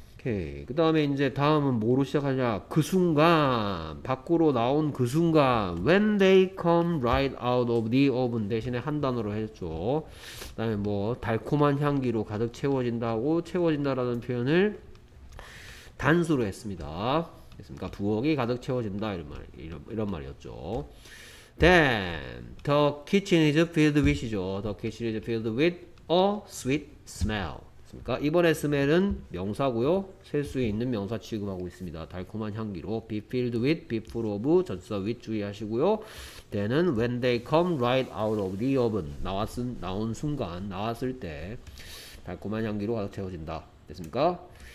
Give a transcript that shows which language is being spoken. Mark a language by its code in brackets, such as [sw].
[ko] 그 다음에 이제 다음은 뭐로 시작하냐 그 순간 밖으로 나온 그 순간 [en] when they come right out of the oven [ko] 대신에 한 단어로 했죠. 그 다음에 뭐 달콤한 향기로 가득 채워진다고 채워진다라는 표현을 단수로 했습니다. 됐습니까? 부엌이 가득 채워진다 이런 말 이런 말이었죠. [en] Then the kitchen is filled with죠. The kitchen is filled with a sweet smell. [ko] 이번에 스멜은 명사고요. 셀수 있는 명사 취급하고 있습니다. 달콤한 향기로 be filled with, be full of, 전치사 with 주의하시고요. then은 [en] when they come right out of the oven [ko] 나온 순간 나왔을 때 달콤한 향기로 가득 채워진다. 됐습니까?